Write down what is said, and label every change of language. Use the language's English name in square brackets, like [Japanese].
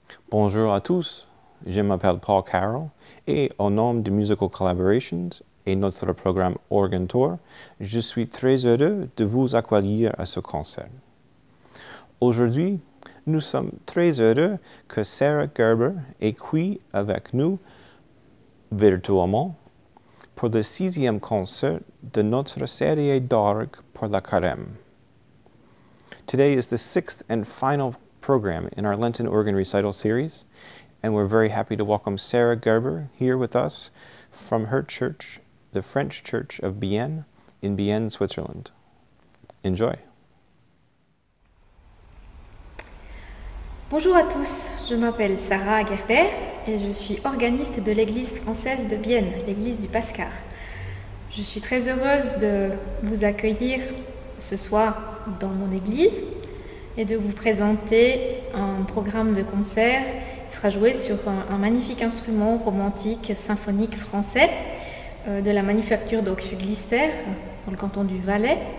[French] Bonjour à tous, je m'appelle Paul Carroll et au nom de Musical Collaborations et notre programme Organ Tour, je suis très heureux de vous accueillir à ce concert. Aujourd'hui, nous sommes très heureux que Sarah Gerber ait quitté avec nous virtuellement pour le sixième concert de notre série d'orgue pour la Carême. [English] Today is the sixth and final program in our Lenten Organ Recital series, and we're very happy to welcome Sarah Gerber here with us from her church, the French Church of Bienne in Bienne, Switzerland. Enjoy. [French] Bonjour à tous, je m'appelle Sarah Gerber et je suis organiste de l'église française de Bienne, l'église du Pascard. Je suis très heureuse de vous accueillir ce soir dans mon église et de vous présenter un programme de concert qui sera joué sur un magnifique instrument romantique symphonique français de la manufacture d'Aufuglister, dans le canton du Valais.